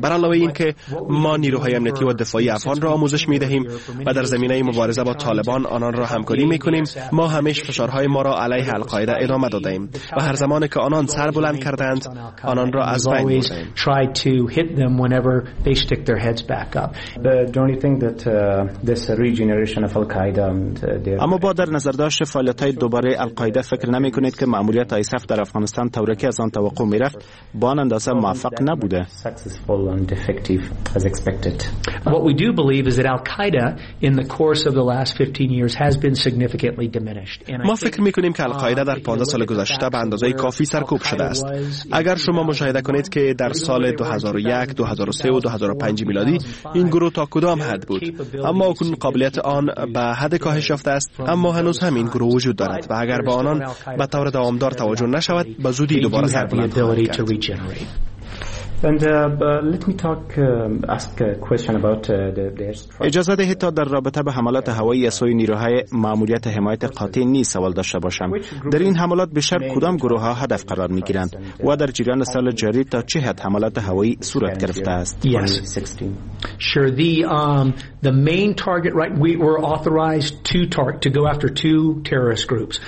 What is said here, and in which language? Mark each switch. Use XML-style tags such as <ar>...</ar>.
<fa>بر علاوه این که ما نیروهای امنیتی و دفاعی افغان را آموزش می‌دهیم و در زمینه مبارزه با طالبان آنان را همکاری می‌کنیم، ما همیشه فشارهای ما را علیه القاعده ادامه داده‌ایم و هر زمان که آنان سر بلند کردند آنان را از بین می‌بریم.</fa> <en>Don't you think that this regeneration of Al-Qaeda and</en> <fa>اما با در نظر داشت فعالیت های دوباره القاعده فکر نمی کنید که ماموریت ISAF در افغانستان تورکی از آن توقع می رفت با آن اندازه موفق نبوده؟</fa> <en>Successful and effective as expected. What we do believe is that Al-Qaeda in the course of the last 15 years has been significantly diminished.</en> <fa>ما فکر می کنیم که القاعده در 15 سال گذشته به اندازه کافی سرکوب شده است. اگر شما مشاهده کنید که در سال 2001, 2003 و 2005 میلادی این گروه تا کدام حد بود، اما اکنون قابلیت آن به حد کاهش یافته است، اما هنوز همین گروه وجود دارد و اگر با آنان به طور دوامدار توجه نشود به زودی دوباره سر بلند خواهند کرد.</fa> <en>And let me talk ask a question about the</en> <fa>اجازه دهید تا در رابطه به حملات هوایی از سوی نیروهای ماموریت حمایت قاطع نیز سوال داشته باشم. در این حملات بیشتر کدام گروه ها هدف قرار می گیرند و در جریان سال جاری تا چه حد حملات هوایی صورت گرفته است؟</fa> <en>Sure, the main target, right, we were authorized to go after two terrorist groups.</en>